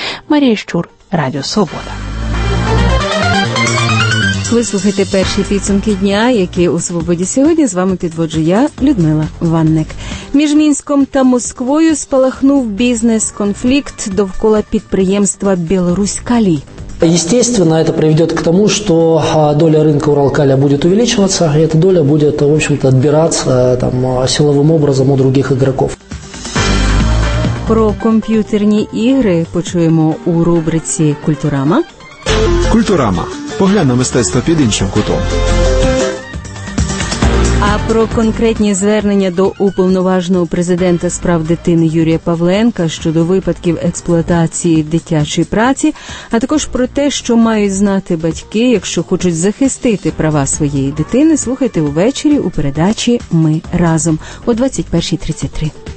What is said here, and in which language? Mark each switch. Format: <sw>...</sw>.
<uk>Марія Щур, Радіо Свобода. Вислухайте перші підсумки дня, які у «Свободі сьогодні» з вами підводжу я, Людмила Ванник. Між Мінськом та Москвою спалахнув бізнес-конфлікт довкола підприємства «Білоруськалі».</uk> <ru>Естественно, это приведет к тому, что доля рынка Уралкаля будет увеличиваться, и эта доля будет, в общем-то, отбираться там силовым образом у других игроков.</ru> <uk>Про комп'ютерні ігри почуємо у рубриці «Культурама». «Культурама». Погляд на мистецтво під іншим кутом. А про конкретні звернення до уповноваженого президента з прав дитини Юрія Павленка щодо випадків експлуатації дитячої праці, а також про те, що мають знати батьки, якщо хочуть захистити права своєї дитини, слухайте увечері у передачі «Ми разом» о 21:33.</uk>